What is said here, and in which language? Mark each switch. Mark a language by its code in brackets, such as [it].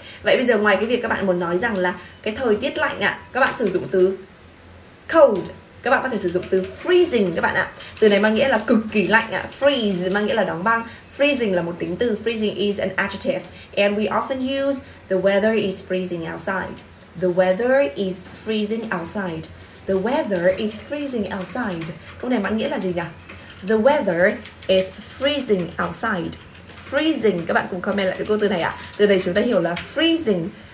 [vi] Vậy bây giờ ngoài cái việc các bạn muốn nói rằng là cái thời tiết lạnh ạ, các bạn sử dụng từ cold. Các bạn có thể sử dụng từ freezing các bạn ạ. Từ này mang nghĩa là cực kỳ lạnh ạ. Freeze mang nghĩa là đóng băng. Freezing là một tính từ. [en] Freezing is an adjective. And we often use the weather is freezing outside. The weather is freezing outside. The weather is freezing outside. [vi] Câu này mang nghĩa là gì nhỉ? [en] The weather is freezing outside. [vi] Freezing, các bạn cùng comment lại cho cô từ này ạ. Từ này chúng ta hiểu là freezing.